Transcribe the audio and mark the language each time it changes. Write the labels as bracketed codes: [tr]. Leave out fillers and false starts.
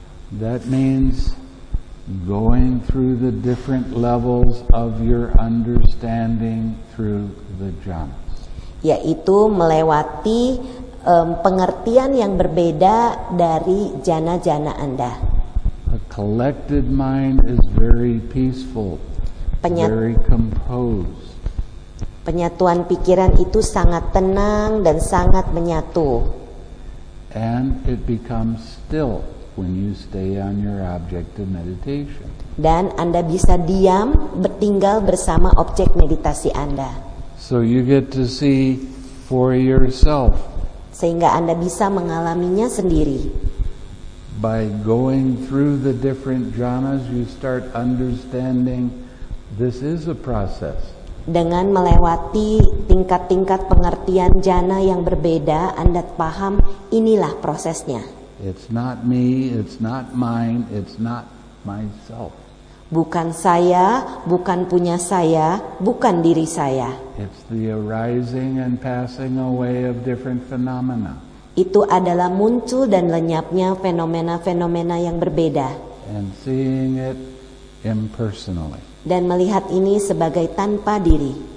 [en] That means going through the different levels of your understanding through the jhanas. [id] Yaitu melewati pengertian yang berbeda dari jhana-jhana Anda. [en] A collected mind is very peaceful, very composed. [id] Penyatuan pikiran itu sangat tenang dan sangat menyatu. [en] And it becomes still when you stay on your object of meditation. [id] Dan Anda bisa diam, bertinggal bersama objek meditasi Anda. [en] So you get to see for yourself. [id] Sehingga Anda bisa mengalaminya sendiri. [en] By going through the different jhanas, you start understanding this is a process. [id] Dengan melewati tingkat-tingkat pengertian jhana yang berbeda, Anda paham inilah prosesnya. [en] It's not me, it's not mine, it's not myself. [id] Bukan saya, bukan punya saya, bukan diri saya. [en] It's the arising and passing away of different phenomena. [id] Itu adalah muncul dan lenyapnya fenomena-fenomena yang berbeda. [en] And seeing it impersonally. [id] Dan melihat ini sebagai tanpa diri.